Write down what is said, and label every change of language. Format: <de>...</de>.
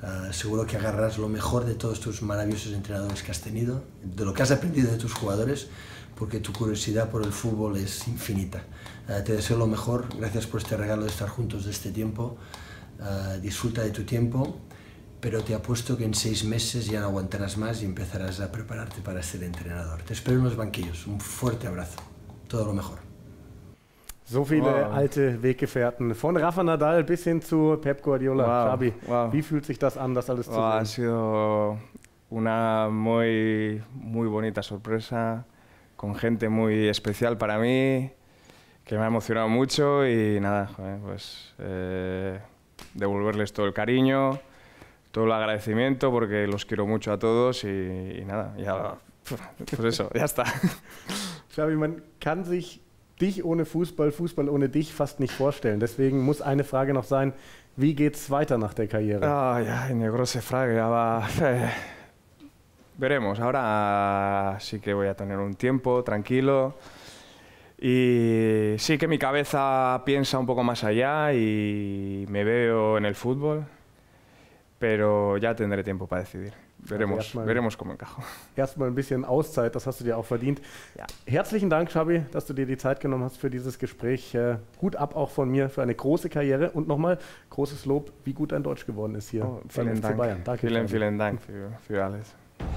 <es>Seguro que agarras lo mejor de todos tus maravillosos entrenadores que has tenido, de lo que has aprendido de tus jugadores, porque tu curiosidad por el fútbol es infinita. Te deseo lo mejor, gracias por este regalo de estar juntos de este tiempo. Disfruta de tu tiempo, pero te apuesto que en 6 meses ya no aguantarás más y empezarás a prepararte para ser entrenador. Te espero en los banquillos. Un fuerte abrazo. Todo lo mejor.</es> <de>So viele wow. Alte Weggefährten, von Rafa Nadal bis hin zu Pep Guardiola. Wow. Xabi, wow. Wie fühlt sich das an, das alles zu sehen?</de> <es>Ha sido una muy, muy bonita sorpresa, con gente muy especial para mí, que me ha emocionado mucho y nada, pues devolverles todo el cariño, todo el agradecimiento, porque los quiero mucho a todos y nada, ya, pues eso, ya está.</es> <de>Xabi, man kann sich dich ohne Fußball, Fußball ohne dich fast nicht vorstellen. Deswegen muss eine Frage noch sein, wie geht's weiter nach der Karriere? Ah, ja, eine große Frage, aber</de> <es>veremos. Ahora sí que voy a tener un tiempo tranquilo y sí que mi cabeza piensa un poco más allá y me veo en el fútbol, pero ja tendré tiempo para decidir. Veremos cómo encajo.</es> <de>Erstmal ein bisschen Auszeit, das hast du dir auch verdient. Ja. Herzlichen Dank, Xabi, dass du dir die Zeit genommen hast für dieses Gespräch. Hut ab auch von mir für eine große Karriere und nochmal großes Lob, wie gut dein Deutsch geworden ist hier. Oh, vielen Dank. Bayern. Danke, vielen Dank für alles.</de>